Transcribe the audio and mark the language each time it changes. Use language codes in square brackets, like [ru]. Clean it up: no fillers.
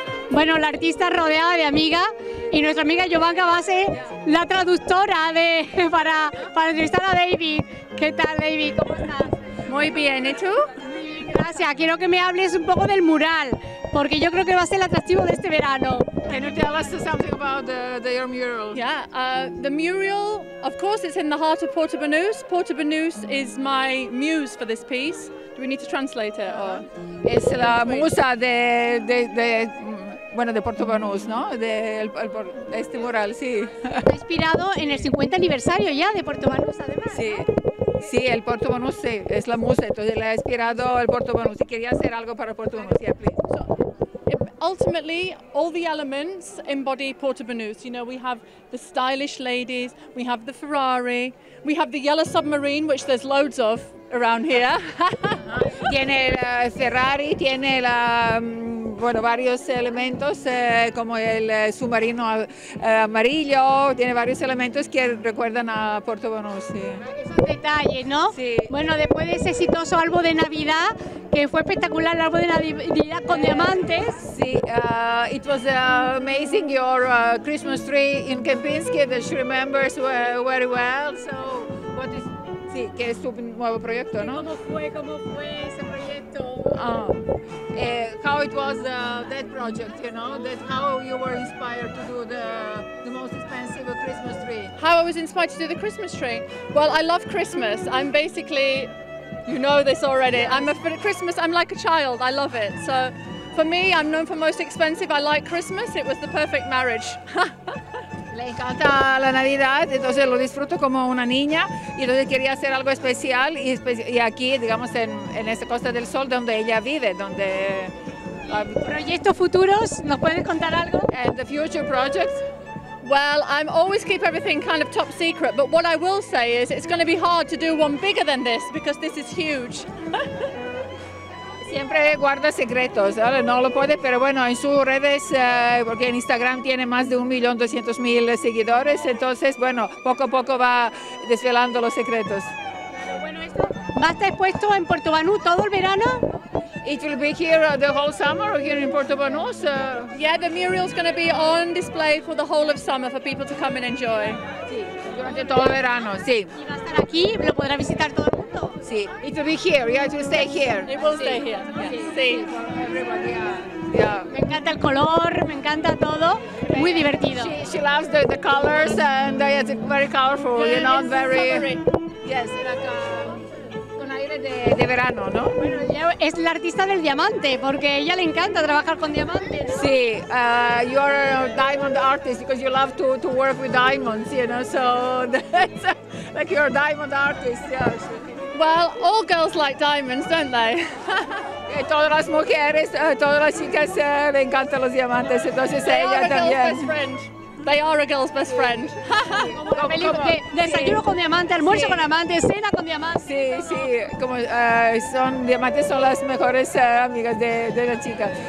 [es] bueno, la artista rodeada de amigas, y nuestra amiga Giovanna va a ser la traductora de, para entrevistar a David. ¿Qué tal, David? ¿Cómo estás? Muy bien, ¿y tú? Gracias, quiero que me hables un poco del mural, porque yo creo que va a ser el atractivo de este verano. [en] Can you tell us something about your mural? Yeah, the mural, of course, it's in the heart of Portobanus. Portobanus is my muse for this piece. Do we need to translate it? Or? [es] Es la musa de Portobanus, ¿no? Este mural, sí. Está inspirado en el 50 aniversario ya de Portobanus, además. Sí. ¿No? Sí, el Portobanus, sí, es la musa, entonces le ha inspirado el Portobanus y quería hacer algo para el Portobanus, [en] yeah, please. So, ultimately, all the elements embody Portobanus. You know, we have the stylish ladies, we have the Ferrari, we have the yellow submarine, which there's loads of around here. [es] Tiene la Ferrari, tiene la, bueno, varios elementos, como el submarino amarillo, tiene varios elementos que recuerdan a Portobanus, sí. Detalles, ¿no? Sí. Bueno, después de ese exitoso álbum de Navidad, que fue espectacular, el álbum de Navidad con diamantes. [en] Sí, it was amazing your Christmas tree in Kempinski that she remembers very well. So, what is. [es] Sí, que es tu nuevo proyecto, ¿no? ¿Cómo fue ese proyecto? [en] How it was that project, you know, that how you were inspired to do the most expensive Christmas tree. How I was inspired to do the Christmas tree? Well, I love Christmas. I'm basically, you know this already, yes. I'm like a child, I love it. So for me, I'm known for most expensive, I like Christmas, it was the perfect marriage. [es] Le encanta la Navidad, entonces lo disfruto como una niña y entonces quería hacer algo especial y aquí, digamos, en esta Costa del Sol donde ella vive, donde... ¿Proyectos futuros? ¿Nos puedes contar algo? [en] And the future projects? Well, I'm always keep everything kind of top secret, but what I will say is it's going to be hard to do one bigger than this because this is huge. [es] Siempre guarda secretos, ¿vale? No lo puede, pero bueno, en sus redes, porque en Instagram tiene más de 1.200.000 seguidores, entonces, bueno, poco a poco va desvelando los secretos. Bueno, esto va a estar expuesto en Portobanus todo el verano. [en] It will be here the whole summer here in Portobanus. Yeah, the mural is going to be on display for the whole of summer for people to come and enjoy. [es] Sí, durante todo el verano, sí. Y va a estar aquí, lo podrá visitar todo el mundo. [en] Sí. It will be here. Yeah, it will stay here. It will stay here. Sí. [es] Yeah. Me encanta el color. Me encanta todo. Muy divertido. [en] She loves the colors and it's very colorful. You know, very. Yes. [es] Con aire de verano, ¿no? Bueno, es la artista del diamante porque ella le encanta trabajar con diamantes. Sí. [en] You are a diamond artist because you love to work with diamonds. You know, so that's like you're a diamond artist. Yes. Well, all girls like diamonds, don't they? [es] Todas las mujeres, todas las chicas le encantan los diamantes, entonces ella también. [en] They are a girl's best friend. They are a girl's best friend. [es] Desayuno con diamantes, almuerzo con diamantes, cena con diamantes. Sí, como son diamantes son las mejores amigas de la chica.